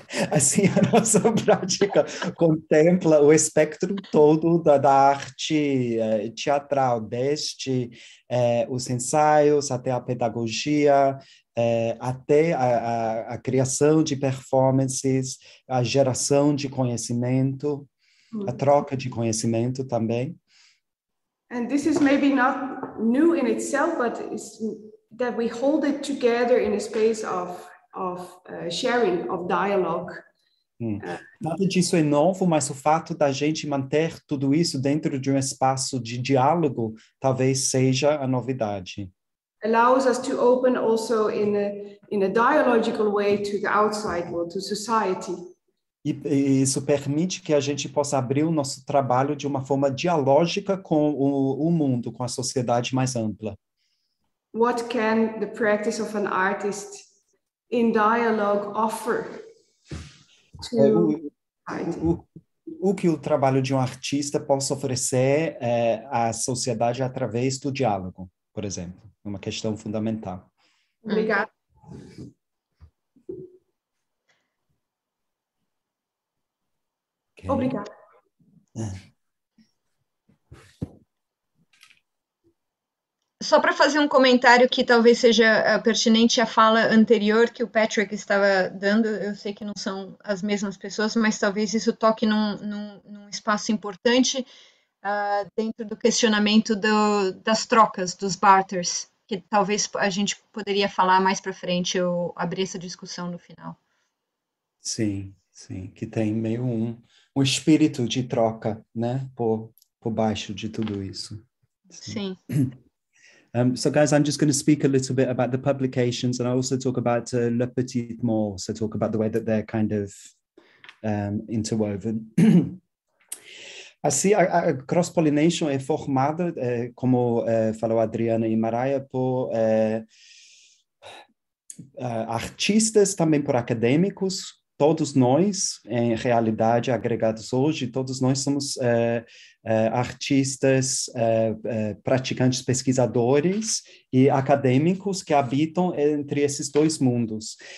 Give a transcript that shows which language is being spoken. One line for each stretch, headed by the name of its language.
Portuguese: Assim, a nossa prática contempla o espectro todo da arte teatral, desde os ensaios até a pedagogia, até a criação de performances, a geração de conhecimento, a troca de conhecimento também.
English: And this is maybe not new in itself, but it's that we hold it together in a space of sharing, of dialogue.
Portuguese: Nada disso é novo, mas o fato da gente manter tudo isso dentro de um espaço de diálogo talvez seja a novidade.
English: Allows us to open also in a dialogical way to the outside world, to society.
Portuguese: E isso permite que a gente possa abrir o nosso trabalho de uma forma dialógica com o mundo, com a sociedade mais ampla.
English: What can the practice of an artist in dialogue offer to
Portuguese: o que o trabalho de um artista possa oferecer à sociedade através do diálogo, por exemplo, uma questão fundamental. Obrigada. Obrigada. Só para fazer um comentário que talvez seja pertinente à fala anterior que o Patrick estava dando, eu sei que não são as mesmas pessoas, mas talvez isso toque num espaço importante dentro do questionamento das trocas, dos barters, que talvez a gente poderia falar mais para frente, ou abrir essa discussão no final. Sim, que tem meio um espírito de troca, né, por baixo de tudo isso. Sim.
English: So guys, I'm just going to speak a little bit about the publications, and I also talk about Le Petit Mort, so talk about the way that they're kind of interwoven.
Portuguese: Assim, a cross-pollination é formada, como falou a Adriana e Maraia, por artistas, também por acadêmicos. Todos nós, em realidade, agregados hoje, todos nós somos artistas, praticantes, pesquisadores e acadêmicos que habitam entre esses dois mundos.